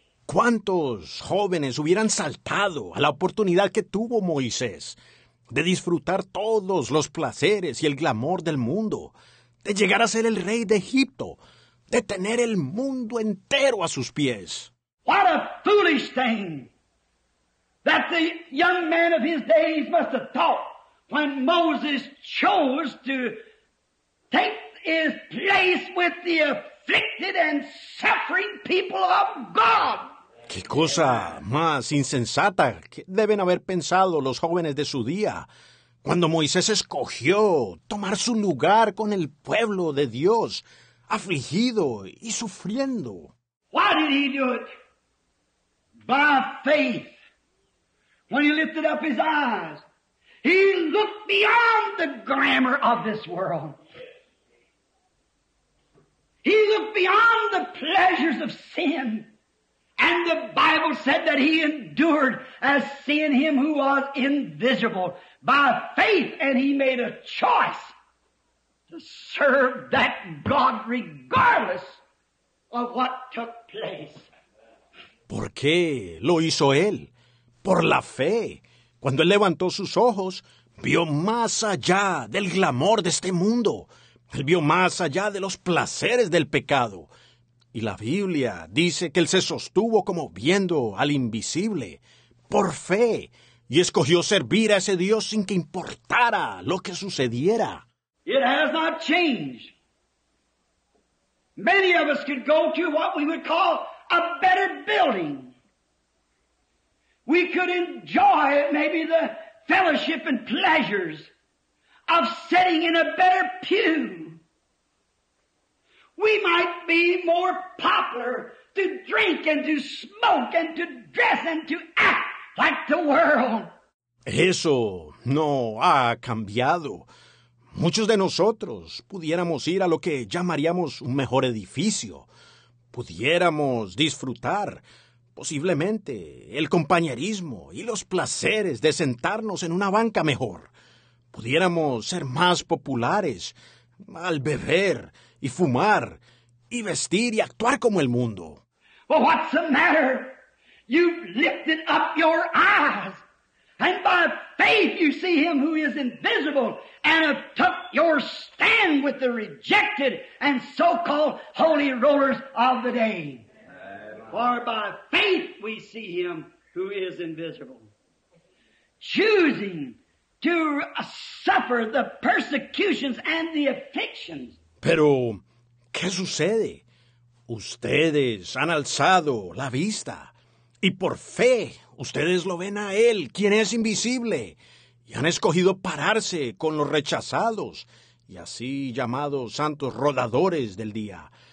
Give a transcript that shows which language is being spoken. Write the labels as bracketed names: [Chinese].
[Spanish] ¿Cuántos jóvenes hubieran saltado a la oportunidad que tuvo Moisés de disfrutar todos los placeres y el glamour del mundo, de llegar a ser el rey de Egipto, de tener el mundo entero a sus pies? [English] What a foolish thing that the young man of his days must have thought when Moses chose to take his place with the afflicted and suffering people of God. [Spanish] ¿Qué cosa más insensata que deben haber pensado los jóvenes de su día cuando Moisés escogió tomar su lugar con el pueblo de Dios, afligido y sufriendo? [English] Why did he do it? By faith. When he lifted up his eyes, he looked beyond the glamour of this world. He looked beyond the pleasures of sin. And the Bible said that he endured as seeing him who was invisible by faith, and he made a choice to serve that God regardless of what took place. [Spanish] ¿Por qué lo hizo él? Por la fe. Cuando él levantó sus ojos, vio más allá del glamour de este mundo. Él vio más allá de los placeres del pecado. Y la Biblia dice que él se sostuvo como viendo al invisible por fe y escogió servir a ese Dios sin que importara lo que sucediera. [English] It has not changed. Many of us could go to what we would call a better building. We could enjoy maybe the fellowship and pleasures of sitting in a better pew. We might be more popular to drink and to smoke and to dress and to act like the world. [Spanish] Eso no ha cambiado. Muchos de nosotros pudiéramos ir a lo que llamaríamos un mejor edificio. Pudiéramos disfrutar, posiblemente, el compañerismo y los placeres de sentarnos en una banca mejor. Pudiéramos ser más populares al beber y fumar, y vestir y actuar como el mundo. [English] Well, what's the matter? You've lifted up your eyes And by faith you see him who is invisible and have took your stand with the rejected and so-called holy rulers of the day. Amen. For by faith we see him who is invisible. Choosing to suffer the persecutions and the afflictions. [Spanish] Pero, ¿qué sucede? Ustedes han alzado la vista y por fe ustedes lo ven a él, quien es invisible, y han escogido pararse con los rechazados y así llamados santos rodadores del día.